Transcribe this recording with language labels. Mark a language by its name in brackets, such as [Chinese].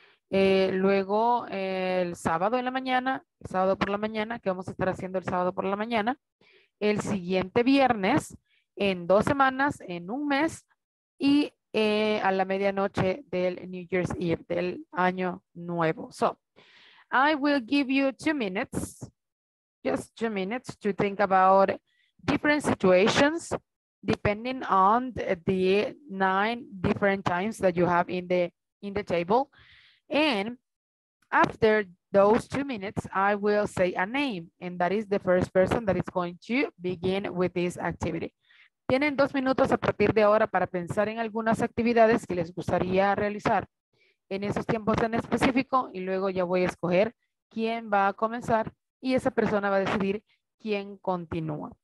[Spanish] Luego el sábado en la mañana, el sábado por la mañana, que vamos a estar haciendo el sábado por la mañana, el siguiente viernes, en 2 semanas, en 1 mes, y a la medianoche del New Year's Eve, del año nuevo. [English] So, I will give you 2 minutes, just 2 minutes, to think about different situations depending on the 9 different times that you have in the table. And after those 2 minutes, I will say a name, and that is the first person that is going to begin with this activity. [Spanish] Tienen 2 minutos a partir de ahora para pensar en algunas actividades que les gustaría realizar en esos tiempos en específico, y luego ya voy a escoger quién va a comenzar y esa persona va a decidir quién continúa.